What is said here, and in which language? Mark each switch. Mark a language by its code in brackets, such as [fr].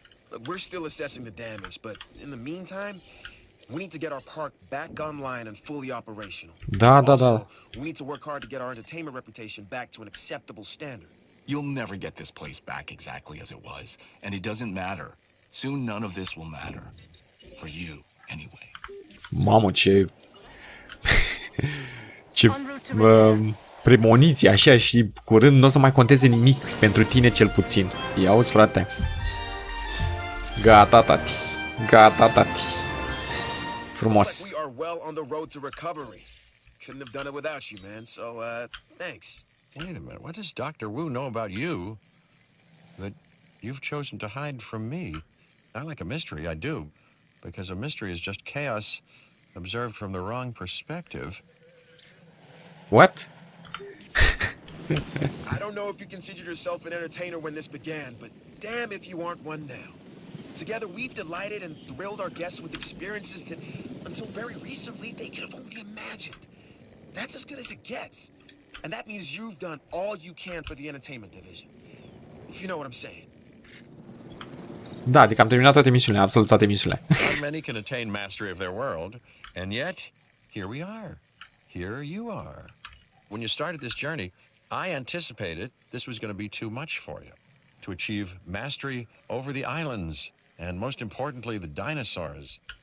[en] Look, we're still assessing the damage, but in the meantime, we need to get our park back online and fully operational. Da, da, da. Also, we need to work hard to get our entertainment reputation back to an acceptable standard. You'll never get this place back exactly as it was, and it doesn't matter. Soon none of this will matter for you anyway. [ro] Mamă, ce ce premoniții așa și curând n-o să mai conteze nimic pentru tine cel puțin. Ia uzi, frate. Gata, tati. Gata, tati. Frumos. [en] We are well on the road to recovery. Couldn't have done it without you, man. So, thanks. Wait a minute. What does Dr. Wu know about you that you've chosen to hide from me? I like a mystery, I do. Because a mystery is just chaos observed from the wrong perspective. What? I don't know if you considered yourself an entertainer when this began, but damn if you aren't one now. Together, we've delighted and thrilled our guests with experiences that, until very recently, they could have only imagined. That's as good as it gets. And that means you've done all you can for the entertainment division. If you know what I'm saying. [ro] Da, adică am terminat toate misiunile, absolut toate misiunile. [en] Not many can attain mastery of their world, and yet, here we are. Here you are. When you started this journey, I anticipated this was going to be too much for you. To achieve mastery over the islands, and most importantly, the dinosaurs.